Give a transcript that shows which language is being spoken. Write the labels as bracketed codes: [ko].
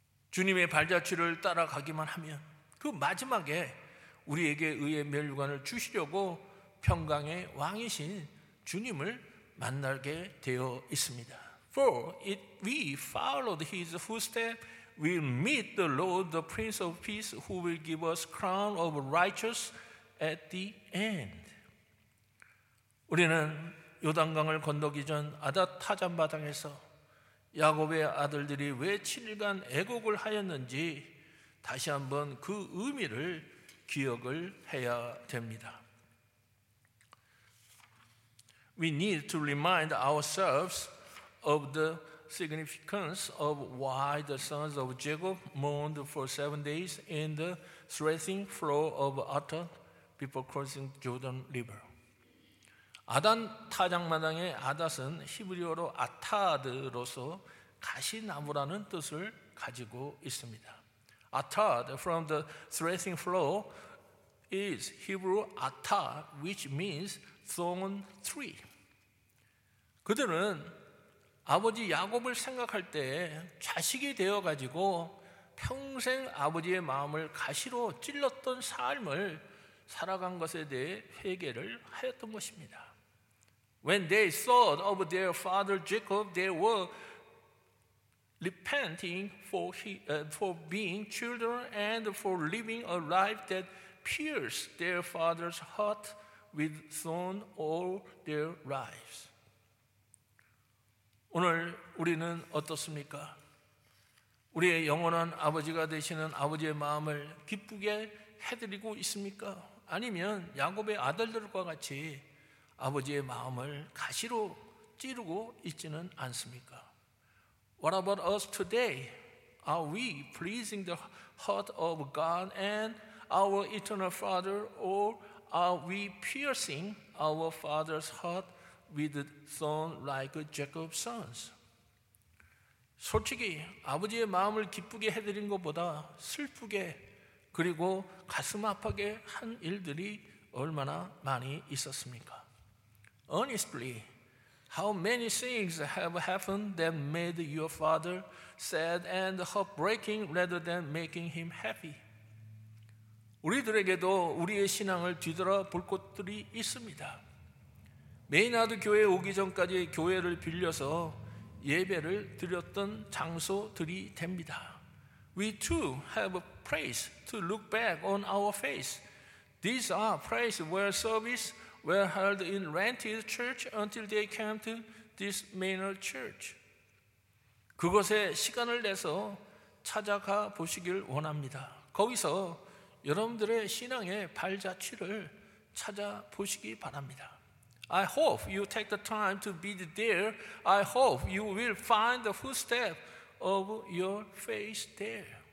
[ko] 주님의 발자취를 따라가기만 하면 그 마지막에 우리에게 의의 면류관을 주시려고 평강의 왕이신 주님을 만나게 되어 있습니다. [en] For if we followed his footsteps, we meet the Lord, the Prince of Peace, who will give us crown of righteousness at the end. [ko] 우리는 요단강을 건너기 전 아닷 타잔마당에서 야곱의 아들들이 왜 7일간 애곡을 하였는지 다시 한번 그 의미를 기억을 해야 됩니다. [en] We need to remind ourselves of the significance of why the sons of Jacob mourned for 7 days in the threshing floor of Arad before crossing Jordan River. [ko] 아단 타작마당의 아닷은 히브리어로 아타드로서 가시나무라는 뜻을 가지고 있습니다. [en] Atad from the threshing floor is Hebrew ata, which means thorn tree. [ko] 그들은 아버지 야곱을 생각할 때 자식이 되어가지고 평생 아버지의 마음을 가시로 찔렀던 삶을 살아간 것에 대해 회개를 하였던 것입니다. [en] When they thought of their father Jacob, they were repenting for being children and for living a life that pierced their father's heart with thorn all their lives. [ko] 오늘 우리는 어떻습니까? 우리의 영원한 아버지가 되시는 아버지의 마음을 기쁘게 해드리고 있습니까? 아니면 야곱의 아들들과 같이 아버지의 마음을 가시로 찌르고 있지는 않습니까? [en] What about us today? Are we pleasing the heart of God and our eternal Father, or are we piercing our Father's heart with thorns like Jacob's sons? [ko] 솔직히 아버지의 마음을 기쁘게 해드린 것보다 슬프게 그리고 가슴 아프게 한 일들이 얼마나 많이 있었습니까? [en] Honestly, how many things have happened that made your father sad and heartbreaking rather than making him happy? [ko] 우리들에게도 우리의 신앙을 뒤돌아볼 것들이 있습니다. 메이나드 교회 오기 전까지 교회를 빌려서 예배를 드렸던 장소들이 됩니다. [en] We too have a place to look back on our faith. These are places where service were held in rented church until they came to this main church. [ko] 그곳에 시간을 내서 찾아가 보시길 원합니다. 거기서 여러분들의 신앙의 발자취를 찾아보시기 바랍니다. [en] I hope you take the time to be there. I hope you will find the footstep of your faith there.